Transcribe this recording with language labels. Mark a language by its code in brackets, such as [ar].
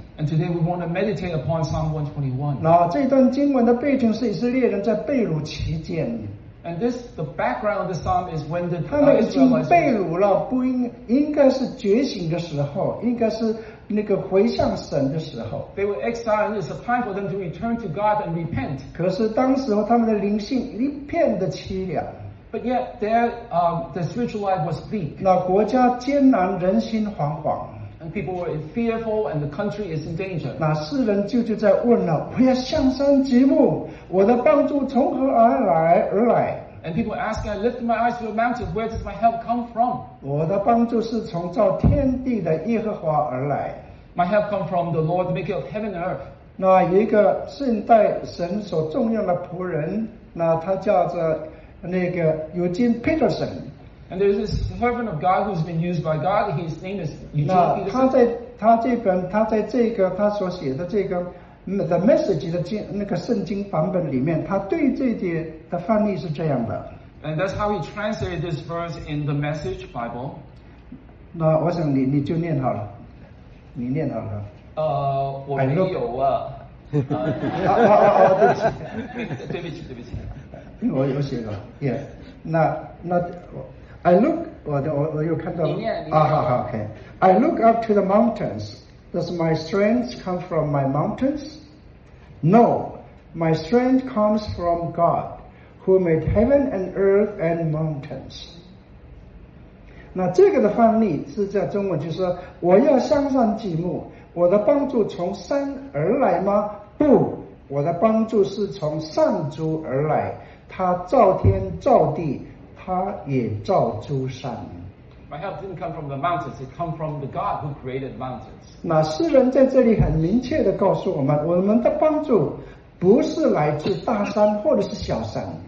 [en] And today we want to meditate upon Psalm 121. [zh] 那这段经文的背景是以色列人在被掳期间。 [en] And this, the background of the Psalm is when the [zh] 他们已经被掳了，不应应该是觉醒的时候，应该是那个回向神的时候。 [en] They were exiled, it's a time for them to return to God and repent. [zh] 可是当时候他们的灵性一片的凄凉。 [en] But yet their spiritual life was bleak. [zh] 那国家艰难，人心惶惶。 [en] And people were fearful, and the country is in danger. [zh] 那世人就在问了：我要向山举目，我的帮助从何而来 [en] ？And people ask, I lift my eyes to the mountain. Where does my help come from? [zh] 我的帮助是从造天地的耶和华而来。 [en] My help come from the Lord, the maker of heaven and earth. [zh] 那一个现代神所重用的仆人，那他叫着那个Eugene Peterson。 [en] And there's this servant of God who's been used by God. His name is Eugene Peterson. [zh] 那他在这个他所写的这个 The Message 的那个圣经版本里面，他对这节的翻译是这样的。 [en] And that's how he translated this verse in the Message Bible. [zh] 那我想你就念好了，你念好了。我没有啊。对不起。我有写过 ， [en] Yeah. [zh] 那我。 [en] I look, [zh] 我又看到了啊，好好 ，OK. [en] I look up to the mountains. Does my strength come from my mountains? No, my strength comes from God, who made heaven and earth and mountains. [zh] 那这个的翻译是在中文，就是我要向上举目，我的帮助从山而来吗？不，我的帮助是从上主而来，他造天造地。 [en] My help didn't come from the mountains; it came from the God who created mountains. [zh] 那诗人在这里很明确的告诉我们，我们的帮助不是来自大山或者是小山。